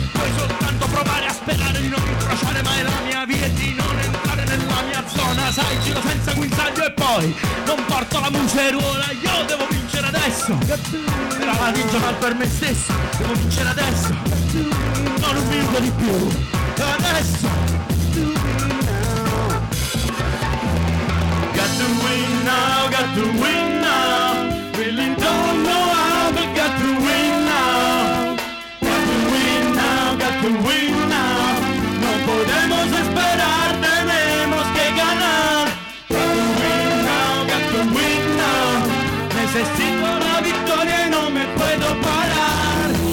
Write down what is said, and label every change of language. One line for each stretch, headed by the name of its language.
Italian: Puoi soltanto provare a sperare di non incrociare mai la mia via e di non entrare nella mia zona. Sai, giro senza guinzaglio e poi non porto la museruola. Io devo vincere adesso, la valigia mal per me stesso. Devo vincere adesso, non un minuto di più.
English: Adesso got to win now, really don't know how, but got to win now. Got to win now, got to win now.
Spanish: No podemos esperar, tenemos que ganar.
English: Got to win now, got to win now.
Spanish: Necesito la victoria y no me puedo parar.